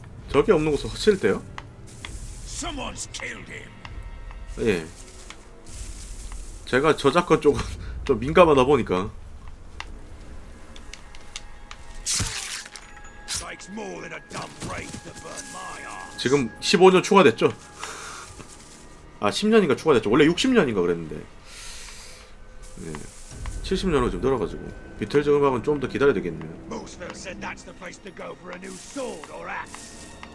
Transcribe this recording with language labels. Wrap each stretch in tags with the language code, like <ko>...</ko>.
<ko>적이 없는 곳에 허칠 때요?</ko> <en>Someone's killed him.</en> <ko>예, 제가 저작권 쪽은 좀 민감하다 보니까.</ko> <en>Takes more than a dumb rake to burn my arms.</en> <ko>지금 15년 추가됐죠? 아, 10년인가 추가됐죠? 원래 60년인가 그랬는데. 예, 70년으로 좀 늘어가지고. 비틀즈 음악은 좀 더 기다려야 되겠네요.</ko> <en>Most of them said that's the place to go for a new sword or axe.</en>